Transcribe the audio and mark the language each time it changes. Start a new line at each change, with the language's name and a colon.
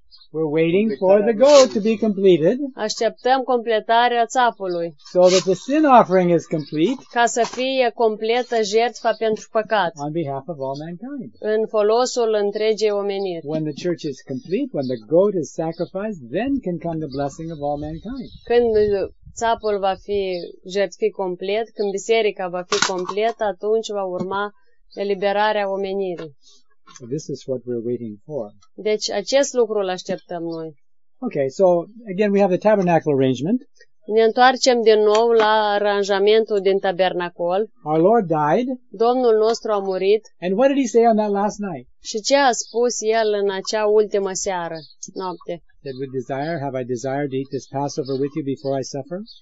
English: We're waiting for the goat to be completed.
Romanian: Așteptăm completarea țapului.
English: So that the sin offering is complete.
Romanian: Ca să fie completă jertfa pentru păcat.
English: On behalf of all mankind.
Romanian: În folosul întregii omeniri.
English: When the church is complete, when the goat is sacrificed, then can come the blessing of all mankind.
Romanian: Când țapul va fi jertfit complet, când biserica va fi completă, atunci va urma eliberarea omenirii.
English: So this is what we're waiting for.
Romanian: Deci acest lucru îl așteptăm noi.
English: Okay, so again we have the tabernacle arrangement.
Romanian: Ne întoarcem din nou la aranjamentul din tabernacol.
English: Our Lord died.
Romanian: Domnul nostru a murit.
English: And what did he say on that last night?
Romanian: Și ce a spus el în acea ultimă seară, noapte?
English: That with desire have I desired to eat this Passover with you before I suffer?